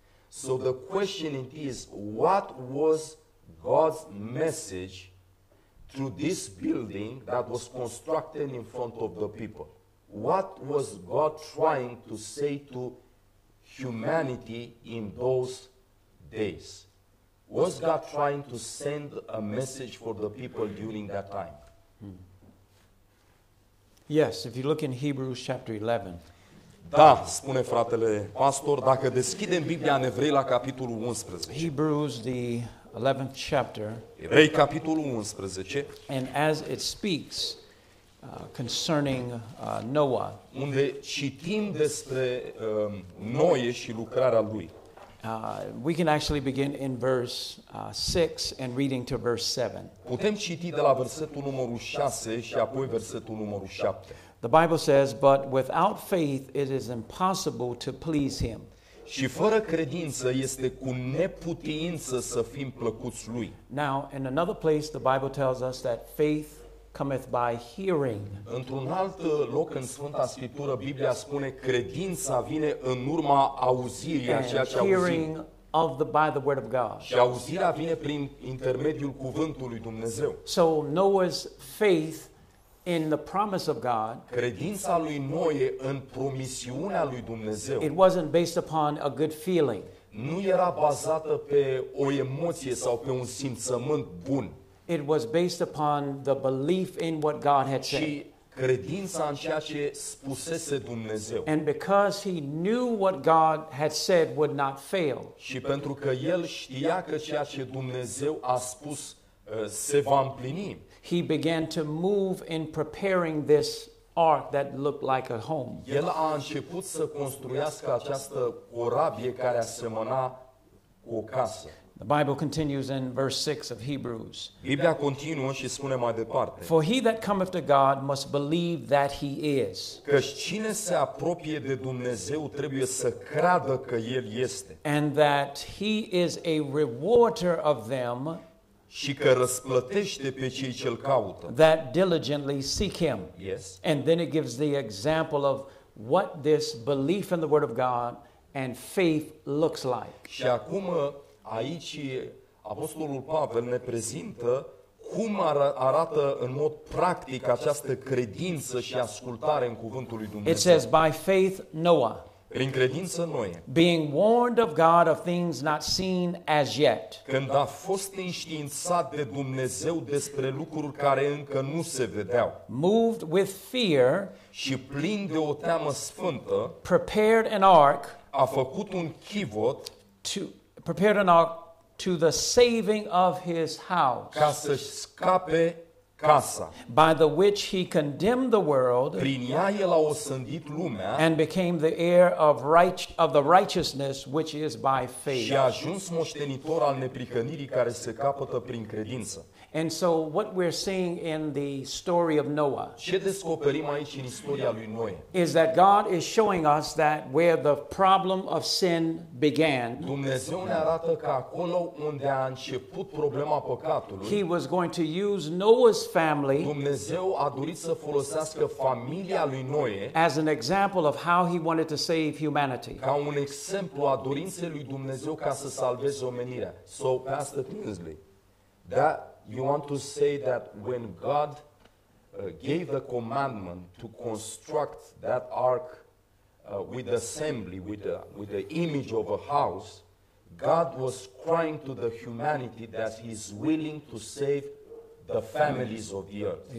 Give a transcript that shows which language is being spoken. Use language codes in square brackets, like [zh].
[en] So the question it is, what was God's message through this building that was constructed in front of the people? What was God trying to say to humanity in those days? Was God trying to send a message for the people during that time? Yes, if you look in Hebrews chapter 11. [ro] Da, spune fratele pastor, dacă deschidem Biblia în Evrei la capitolul 11. [en] Hebrews the 11th chapter. [ro] Evrei capitolul 11. [en] And as it speaks concerning Noah. [ro] Unde citim despre Noe și lucrarea lui. [en] We can actually begin in verse 6 and reading to verse 7. [ro] Putem citi de la versetul numărul 6 și apoi versetul numărul 7. [en] The Bible says, but without faith it is impossible to please him. [ro] Și fără credință este cu neputință să fim plăcuți lui. [en] Now, in another place the Bible tells us that faith cometh by hearing. [ro] Într-un alt loc în Sfânta Scriptură Biblia spune credința vine în urma auzirii, ceea ce auzim. [en] By the word of God. [ro] Și auzirea vine prin intermediul cuvântului Dumnezeu. [en] So Noah's faith in the promise of God. [ro] Credința lui Noe în promisiunea lui Dumnezeu. [en] It wasn't based upon a good feeling. [ro] Nu era bazată pe o emoție sau pe un simțământ bun. [en] It was based upon the belief in what God had said. [ro] Și credința în ceea ce spusese Dumnezeu. [en] And because he knew what God had said would not fail. [ro] Și pentru că el știa că ceea ce Dumnezeu a spus se va împlini. [en] He began to move in preparing this ark that looked like a home. [ro] El a început să construiască această corabie care asemăna cu o casă. [en] The Bible continues in verse 6 of Hebrews. [ro] Biblia continuă și spune mai departe. [en] For he that cometh to God must believe that he is. [ro] Căci cine se apropie de Dumnezeu trebuie să creadă că el este. [en] And that he is a rewarder of them. [ro] Și că răsplătește pe cei ce-l caută. [en] That diligently seek him. Yes. And then it gives the example of what this belief in the word of God and faith looks like. [ro] Și acum aici apostolul Pavel ne prezintă cum arată în mod practic această credință și ascultare în cuvântul lui Dumnezeu. [en] It says by faith Noah. [ro] Prin credință Noe. [en] Being warned of God of things not seen as yet. [ro] Când a fost înștiințat de Dumnezeu despre lucruri care încă nu se vedeau. [en] Moved with fear. [ro] Și plin de o teamă sfântă. [en] Prepared an ark. [ro] A făcut un chivot. [en] Prepared an ark to the saving of his house. [ro] Ca să-și scape casa. [en] By the which he condemned the world. [ro] Prin ea el a osândit lumea. [en] And became the heir of the righteousness which is by faith. [ro] Și a ajuns moștenitor al neprihănirii care se capătă prin credință. [en] And so what we're seeing in the story of Noah. [ro] Ce descoperim aici în istoria lui Noe? [en] Is that God is showing us that where the problem of sin began. [ro] Dumnezeu ne arată că acolo unde a început problema păcatului. [en] He was going to use Noah's family. [ro] Dumnezeu a dorit să folosească familia lui Noe. [en] As an example of how he wanted to save humanity. [ro] Ca un exemplu a dorinței lui Dumnezeu ca să salveze omenirea. [en] So Pastor Tinsley, that you want to say that when God gave the commandment to construct that ark with assembly, with the image of a house, God was crying to the humanity that he's willing to save the families of the earth.